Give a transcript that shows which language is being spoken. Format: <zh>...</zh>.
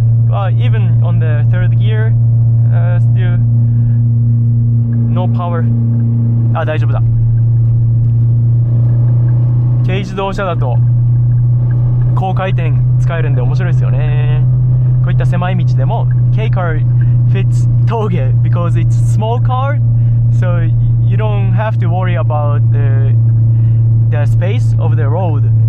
<en>Even on the third gear, still no power.</en> <ja>あ、大丈夫だ。軽自動車だと高回転使えるんで面白いですよね。こういった狭い道でも</ja> <en>K car fits 峠 because it's small car, so you don't have to worry about the space of the road.</en>